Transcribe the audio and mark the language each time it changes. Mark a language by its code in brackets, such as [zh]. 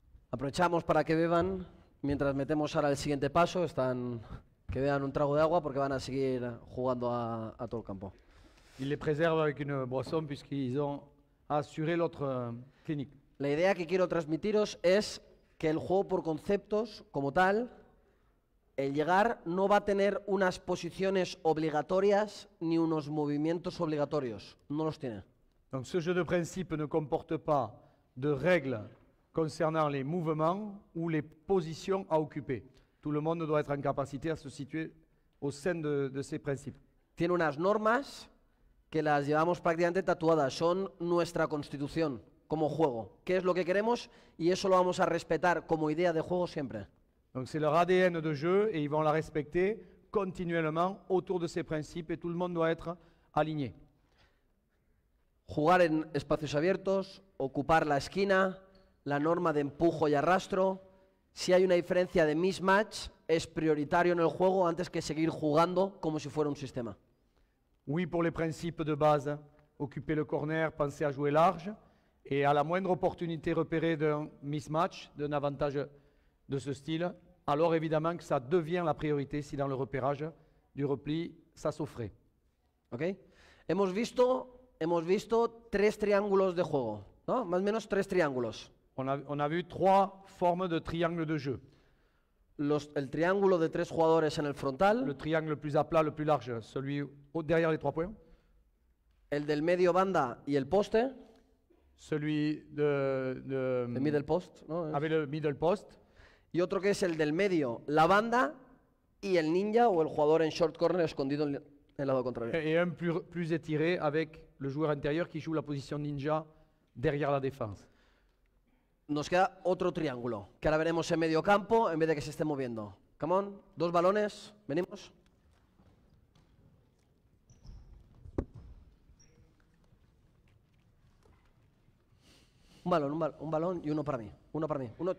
[es] Aprovechamos para que beban mientras metemos ahora el siguiente paso. Están que beban un trago de agua porque van a seguir jugando a todo el campo. [fr] Ils les préservent avec une boisson puisqu'ils ont assuré l'autre clinique. [es] La idea que quiero transmitiros es que el juego por conceptos como tal, el llegar no va a tener unas posiciones obligatorias ni unos movimientos obligatorios. No los tiene. [fr] Donc ce jeu de principe ne comporte pas de règles concernant les mouvements ou les positions à occuper. Tout le monde doit être en capacité à se situer au sein de ces principes. [es] Tiene unas normas que las llevamos prácticamente tatuadas, son nuestra constitución como juego. ¿Qué es lo que queremos? Y eso lo vamos a respetar como idea de juego siempre. [fr] Donc c'est leur ADN de jeu et ils vont la respecter continuellement autour de ces principes et tout le monde doit être aligné. [es] Jugar en espacios abiertos, ocupar la esquina, la norma de empujo y arrastro. Si hay una diferencia de mismatch, es prioritario en el juego antes que seguir jugando como si fuera un sistema. [fr] Oui, pour les principes de base, occuper le corner, penser à jouer large et à la moindre opportunité repérée d'un mismatch, d'un avantage de ce style, alors évidemment que ça devient la priorité si dans le repérage du repli, ça s'offrait. [es] Ok. Hemos visto tres triángulos de juego, ¿no? Más o menos tres triángulos. [fr] On a vu trois formes de triangle de jeu. [es] El triángulo de tres jugadores en el frontal. [fr] Le triangle le plus à plat, le plus large, celui derrière les trois points. [es] El del medio banda y el poste. [fr] Celui de [es] el middle post, ¿no? [fr] Avec le middle post. [es] Y otro que es el del medio, la banda y el ninja o el jugador en short corner escondido en el lado contrario. [fr] Et un plus étiré avec le joueur intérieur qui joue la position ninja derrière la défense. [es] Nos queda otro triángulo, que ahora veremos en medio campo en vez de que se esté moviendo. [en] Come on, [es] dos balones, venimos. Un balón y uno para mí, uno para mí.